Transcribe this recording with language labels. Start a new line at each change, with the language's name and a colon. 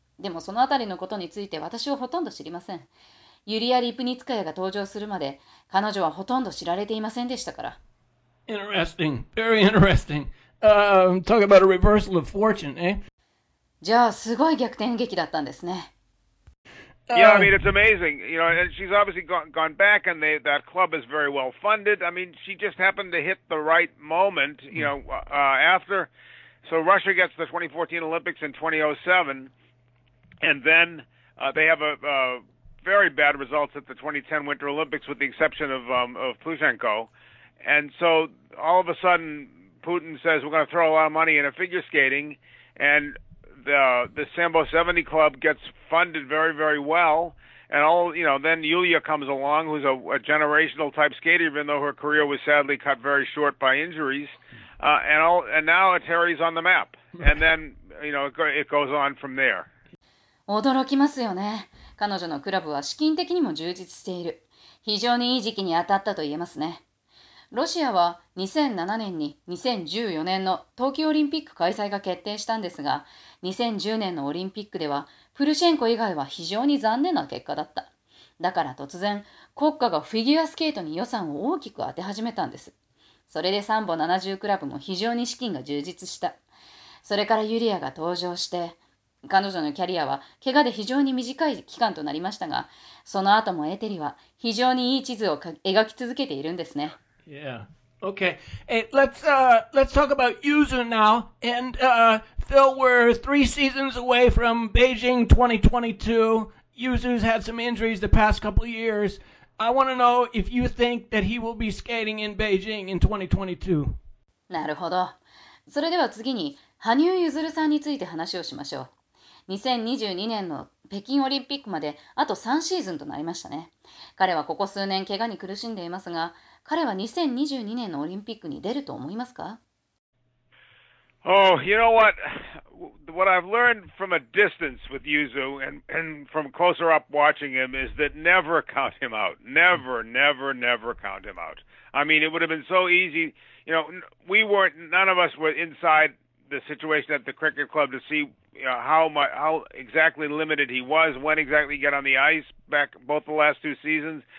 Japanese: でもそのあたりのことについて私はほとんど知りません。ユリア・リプニツカヤが登場するまで彼女はほとんど知られていませんでしたから。
English: Interesting. Very interesting. Talk about a reversal of fortune, eh? じゃあすごい逆転劇だったんですね。 Yeah, I mean, it's amazing. You know, and she's obviously gone back, and that club is very well funded. I mean, she just happened to hit the right moment, you know, after. So Russia gets the 2014 Olympics in 2007, and then they have a very bad results at the 2010 Winter Olympics, with the exception of Plushenko. And so all of a sudden, Putin says, we're going to throw a lot of money into figure skating, andThe Sambo 70 Club gets funded very, very well. And all, you know, then Yulia comes along, who's a generational type skater, even though her career was sadly cut very short by injuries. And now Eteri's on the map. And then, you know, it goes on from there.
Japanese: 驚きますよね。彼女のクラブは資金的にも充実している。非常にいい時期に当たったと言えますね。ロシアは2007年に2014年の冬季オリンピック開催が決定したんですが、2010年のオリンピックではプルシェンコ以外は非常に残念な結果だった。だから突然国家がフィギュアスケートに予算を大きく当て始めたんです。それでサンボ70クラブも非常に資金が充実した。それからユリアが登場して、彼女のキャリアは怪我で非常に短い期間となりましたが、その後もエテリは非常にいい地図を描き続けているんですね。
English: Yeah. Okay. Hey, let's talk about Yuzu now. And Phil, we're three seasons away from Beijing 2022. Yuzu's had some injuries the past couple of years. I want to know if you think that he will be skating in Beijing in 2022.
Japanese: なるほど。それでは次に、羽生結弦さんについて話をしましょう。 2022年の北京オリンピックまであと3シーズンとなりましたね。彼はここ数年怪我に苦しんでいますが、彼は2022年のオリンピックに出ると思いますか？
English: Oh, you know what? What I've learned from a distance with Yuzu and from closer up watching him is that never count him out. Never, never, never count him out. I mean, it would have been so easy. You know, we weren't, none of us were inside the situation at the cricket club to see how exactly limited he was, when exactly he got on the ice back both the last two seasons.